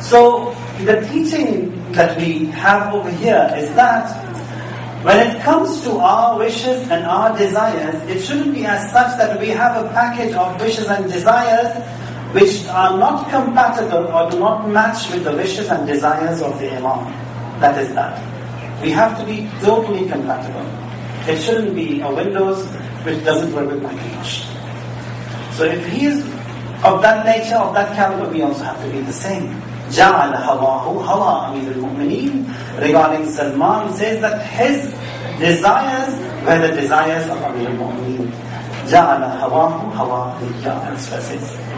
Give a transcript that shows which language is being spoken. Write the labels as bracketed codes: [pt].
[en] So, the teaching that we have over here is that when it comes to our wishes and our desires, it shouldn't be as such that we have a package of wishes and desires which are not compatible or do not match with the wishes and desires of the Imam. That is that. We have to be totally compatible. It shouldn't be a Windows which doesn't work with Macintosh. So if he is of that nature, of that caliber, we also have to be the same. [ar] جعل هواه هوا أمير المؤمنين. [en] Regarding Salman, says that his desires were the desires of Amir al-Mu'mineen. [ar] جعل هواه هوا says.